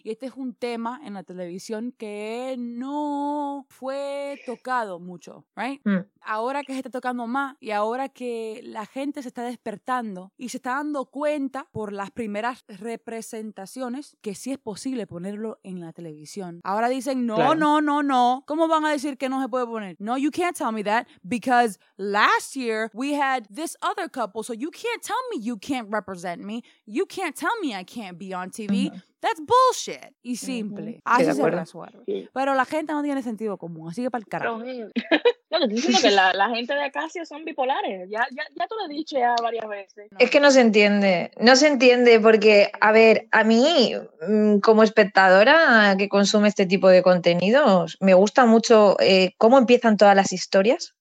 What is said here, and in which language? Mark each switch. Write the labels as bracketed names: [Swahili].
[Spanish] Y este es un tema en la televisión que no fue tocado mucho, right? Ahora que se está tocando más y ahora que la gente se está despertando y se está dando cuenta por las primeras representaciones que sí es posible ponerlo en la televisión. Ahora dicen, no, claro, no, no, no. ¿Cómo van a decir que no se puede poner? [English] No, you can't tell me that because last year we had this other couple, so you can't tell me you can't represent me. You can't tell me I can't be on TV. That's bullshit. [Spanish] Y simple. Así se resuelve. Sí. Pero la gente no tiene sentido común, así que para el carajo. No, diciendo que la gente de Acacia son bipolares. Ya te lo he dicho ya varias veces. Es que no se entiende. No se entiende porque, a ver, a mí, como espectadora que consume este tipo de contenidos, me gusta mucho cómo empiezan todas las historias.